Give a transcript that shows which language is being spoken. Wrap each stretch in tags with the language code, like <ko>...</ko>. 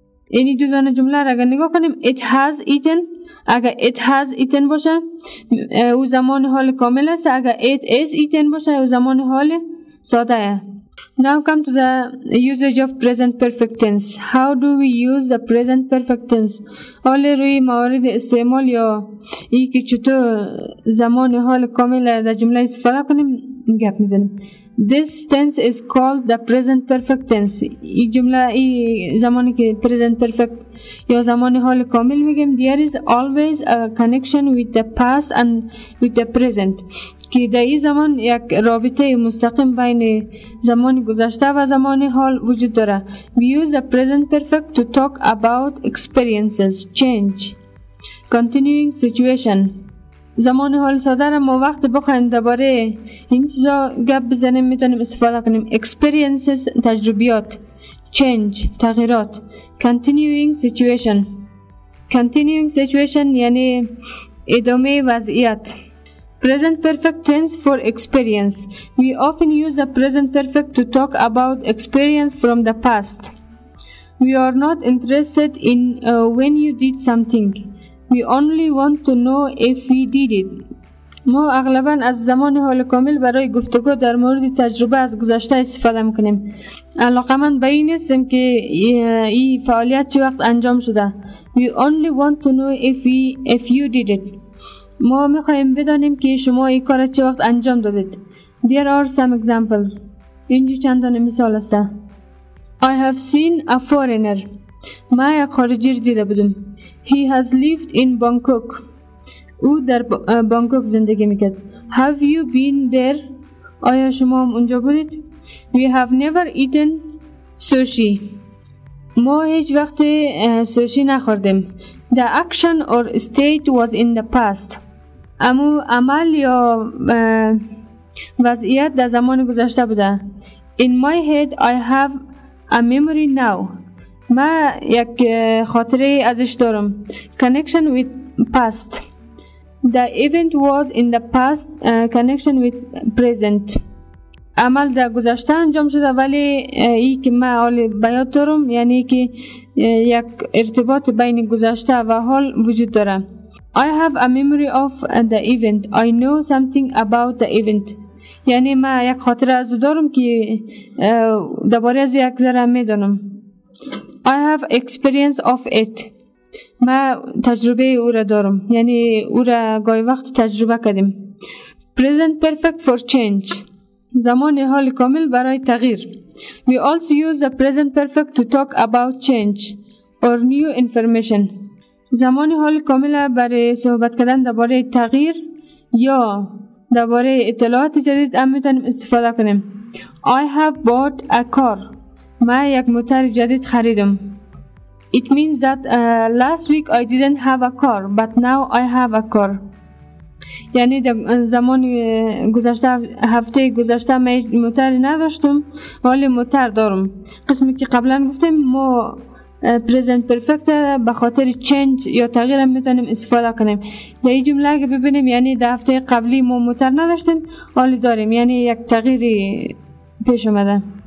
<fa>این دو دانه جمله را اگر نگاه کنیم،</fa> <en>it has eaten،</en> <fa>اگر it has eaten باشه او زمان حال کامل است، اگر</fa> <en>it is eaten</en> <fa>باشه او زمان حال ساده است.</fa> <en>Now come to the usage of present perfect tense. How do we use the present perfect tense?</en> <fa>حالی روی موارد استعمال یا ای که چطور زمان حال کامل در جمله استفاده کنیم گپ میزنیم.</fa> <en>This tense is called the present perfect tense.</en> <fa>ای جمله ای زمانی که present perfect یا زمان حال کامل میگیم،</fa> <en>there is always a connection with the past and with the present.</en> <fa>که در این زمان یک رابطه مستقیم بین زمان گذشته و زمان حال وجود داره.</fa> <en>We use the present perfect to talk about experiences, change, continuing situation.</en> <fa>زمان حال ساده را ما وقت بخواهیم دوباره این چیزا گپ بزنیم میتونیم استفاده کنیم.</fa> <en>Experiences، تجربیات. Change، تغییرات. Continuing situation. Continuing situation</en> <fa>یعنی ادامه وضعیت.</fa> <en>Present perfect tense for experience. We often use the present perfect to talk about experience from the past. We are not interested in when you did something. We only want to know if we did it.</en> <fa>ما اغلبا از زمان حال کامل برای گفتگو در مورد تجربه از گذشته استفاده میکنیم. علاقه من به این استم که این فعالیت چه وقت انجام شده.</fa> <en>We only want to know if you did it.</en> <fa>ما میخواییم بدانیم که شما این کار چه وقت انجام دادید.</fa> <en>There are some examples.</en> <fa>اینجا چند تا مثال است.</fa> <en>I have seen a foreigner.</en> <fa>ما یک خارجی را دیده بودم.</fa> <en>He has lived in Bangkok.</en> <fa>او در بانکوک زندگی میکرد.</fa> <en>Have you been there?</en> <fa>آیا شما هم اونجا بودید؟</fa> <en>We have never eaten sushi.</en> <fa>ما هیچ وقت سوشی نخوردیم.</fa> <en>The action or state was in the past.</en> <fa>اما عمل یا وضعیت در زمان گذشته بوده.</fa> <en>In my head I have a memory now.</en> <fa>ما یک خاطره ازش دارم.</fa> <en>Connection with past. The event was in the past, connection with present.</en> <fa>عمل در گذشته انجام شده ولی ای که من حال بیاد دارم، یعنی که یک ارتباط بین گذشته و حال وجود داره.</fa> <en>I have a memory of the event. I know something about the event.</en> <fa>یعنی من یک خاطره از او دارم که دوباره از او یک ذره می دانم.</fa> <en>I have experience of it.</en> <fa>ما تجربه او را دارم یعنی او را گاهی وقت تجربه کردیم.</fa> <en>Present perfect for change.</en> <fa>زمان حال کامل برای تغییر.</fa> <en>We also use the present perfect to talk about change or new information.</en> <fa>زمان حال کامل برای صحبت کردن درباره تغییر یا درباره اطلاعات جدید هم میتونیم استفاده کنیم.</fa> <en>I have bought a car.</en> <fa>من یک موتر جدید خریدم.</fa> <en>It means that last week I didn't have a car, but now I have a car.</en> <fa>یعنی در زمان گذشته هفته گذشته من موتر نداشتم ولی موتر دارم. قسمی که قبلا گفتم ما present perfect به خاطر چنج یا تغییر میتونیم استفاده کنیم. در این جمله اگه ببینیم یعنی در هفته قبلی ما موتر نداشتیم ولی داریم، یعنی یک تغییری پیش اومده.</fa>